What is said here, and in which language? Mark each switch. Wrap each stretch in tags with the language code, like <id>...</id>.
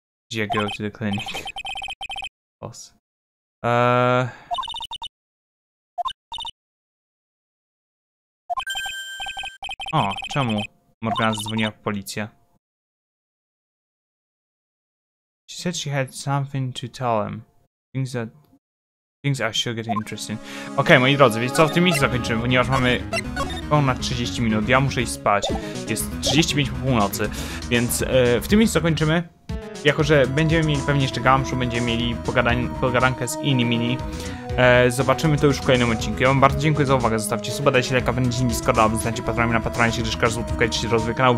<en>Gdzie go to the clinic? Boss.</en> <pl>O, czemu? Morgana zadzwoniła w policję.</pl> <en>She said she had something to tell him. Things are sure getting interesting.</en> <pl>Okej, moi drodzy, więc co, w tym miejscu zakończymy, ponieważ mamy ponad 30 minut. Ja muszę iść spać. Jest 35 po północy, więc w tym miejscu zakończymy. Jako że będziemy mieli pewnie jeszcze gamszu, będziemy mieli pogadankę z Inimini. Zobaczymy to już w kolejnym odcinku. Ja wam bardzo dziękuję za uwagę. Zostawcie suba, dajcie lajka, wejdźcie na Discorda, aby zostać patronami na Patronite, gdyż każda złotówka jest rozwój kanału.</pl>